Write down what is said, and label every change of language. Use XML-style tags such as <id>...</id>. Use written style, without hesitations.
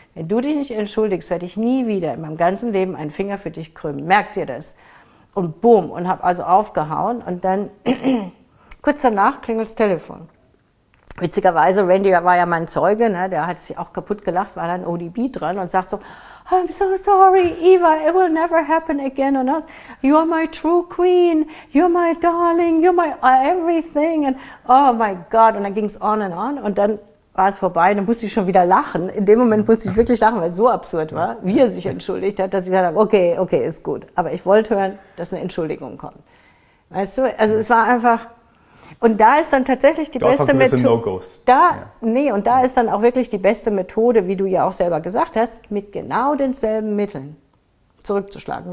<de>Wenn du dich nicht entschuldigst, werde ich nie wieder in meinem ganzen Leben einen Finger für dich krümmen. Merkt ihr das? Und boom, und habe also aufgehauen und dann kurz danach klingelt das Telefon. Witzigerweise, Randy war ja mein Zeuge, ne, der hat sich auch kaputt gelacht, war dann ODB dran und sagt so,</de> <en>I'm so sorry, Eva, it will never happen again on us. You are my true queen, you're my darling, you're my everything. And oh my God,</en> <de>und dann ging es</de> <en>on and on</en> <de>und dann war es vorbei, dann musste ich schon wieder lachen. In dem Moment musste ich wirklich lachen, weil es so absurd war, wie er sich entschuldigt hat, dass ich gesagt habe, okay, ist gut. Aber ich wollte hören, dass eine Entschuldigung kommt. Weißt du, also es war einfach, Und da ist dann tatsächlich die beste Methode. Und da ist dann auch wirklich die beste Methode, wie du ja auch selber gesagt hast, mit genau denselben Mitteln zurückzuschlagen.</de>